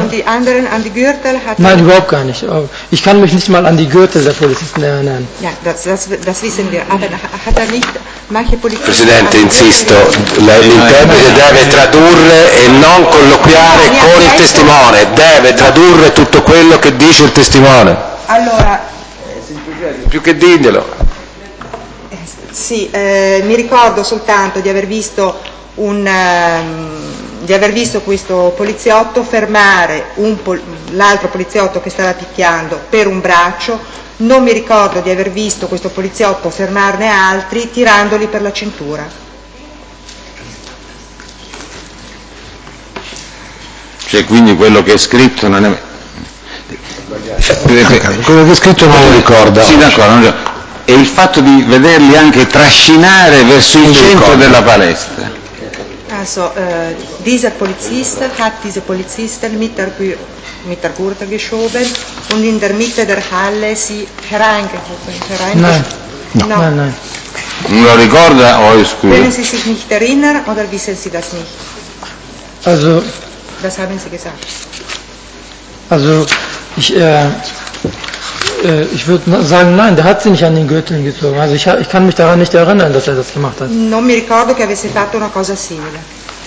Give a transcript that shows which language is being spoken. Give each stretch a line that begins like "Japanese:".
German: Und die anderen an die Gürtel hat. Nein, überhaupt gar nicht. Ich kann mich nicht mal an die Gürtel der Polizisten erinnern. Ja, das wissen wir. Aber hat er nicht manche Polizisten.
Italian: Presidente, insisto, l'interprete deve tradurre e non colloquiare con il testimone. Deve tradurre tutto quello che dice il testimone. Allora, più che diglielo. Sì, mi ricordo soltanto di aver visto. Di aver visto questo poliziotto fermare l'altro poliziotto che stava picchiando per un braccio, non mi ricordo di aver visto questo poliziotto fermarne altri tirandoli per la cintura. Cioè, quindi quello che è scritto non è. Quello che è scritto non lo ricorda. Sì, d'accordo. E il fatto di vederli anche trascinare verso il centro della palestra.
German: caso dieser Polizist hat diese Polizisten mit der Gurte geschoben und in der Mitte der Halle sie hereingehoben. Nein.
Italian: Non lo ricorda o è scuro?
German: Können Sie sich nicht erinnern oder wissen Sie das nicht? Also, das haben Sie gesagt. Also, ich würde sagen, nein, der hat sie nicht an den Gürteln gezogen. Also ich kann mich daran nicht erinnern, dass er das gemacht hat.
Italian: Non mi ricordo che avesse fatto una cosa simile.